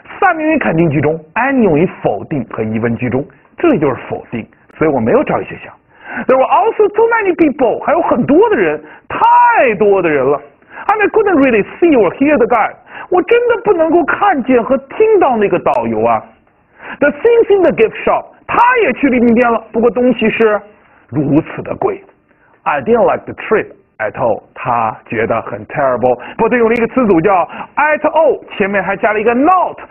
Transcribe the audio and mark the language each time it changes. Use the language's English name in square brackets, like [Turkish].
[Chinese] Some 用于肯定句中， any 用于否定和疑问句中，这里就是否定，所以我没有照一些相。 [English] There were also too many people, [Chinese] 还有很多的人，太多的人了。 [English] And I couldn't really see or hear the guy. [Chinese] 我真的不能够看见和听到那个导游啊。 [English] The things in the gift shop, [Chinese] 他也去礼品店了，不过东西是如此的贵。 [English] I didn't like the trip at all. [Chinese] 他觉得很 [English] terrible. [Chinese] 不过用了一个词组叫 at all, 前面还加了一个 not.